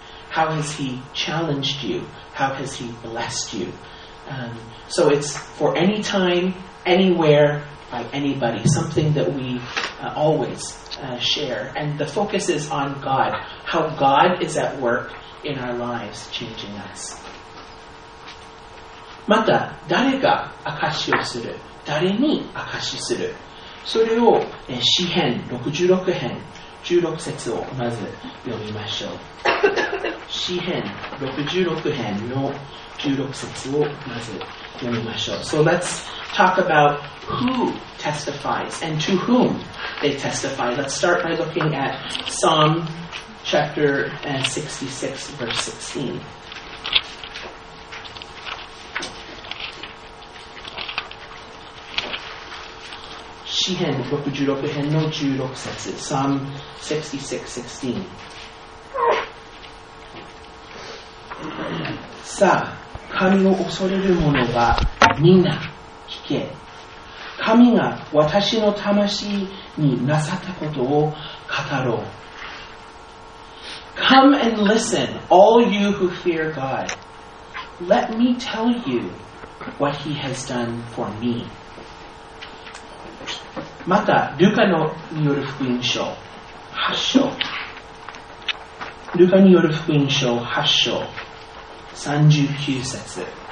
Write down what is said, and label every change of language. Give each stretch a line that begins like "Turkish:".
English: How has He challenged you? How has He blessed you? So it's for any time, anywhere, by anybody. Something that we always share. And the focus is on God. How God is at work in our lives, changing us.
Japanese: また誰が証しをする、誰に証しする、それを詩編66編16節をまず読みましょう。詩編66編の16節をまず読みましょう。
English: So let's talk about who testifies and to whom they testify. Let's start by looking at Psalm chapter 66 verse 16. Psalm 66:16.
Japanese: さあ、神を恐れる者はみんな聞け。神が私の魂になさったことを語ろう。
English: Come and listen, all you who fear God. Let me tell you what He has done for me.
Japanese: また、ルカのによる福音書8章。ルカによる福音書8章39節。